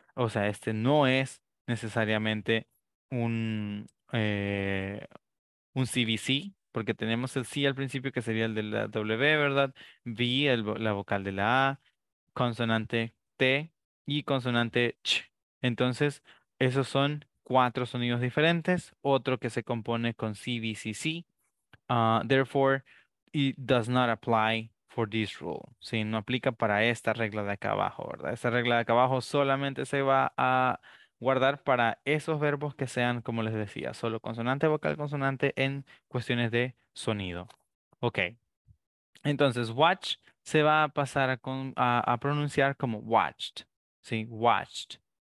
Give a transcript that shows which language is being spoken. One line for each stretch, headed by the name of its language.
Spanish: O sea, este no es necesariamente un CVC, porque tenemos el C al principio, que sería el de la W, ¿verdad? V, la vocal de la A, consonante T y consonante CH. Entonces, esos son cuatro sonidos diferentes, otro que se compone con CVCC.
English: Therefore, it does not apply for this rule.
Spanish: Sí, no aplica para esta regla de acá abajo, ¿verdad? Esta regla de acá abajo solamente se va a guardar para esos verbos que sean, como les decía, solo consonante, vocal, consonante en cuestiones de sonido. Ok. Entonces, watch se va a pasar a pronunciar como watched. Sí, watched.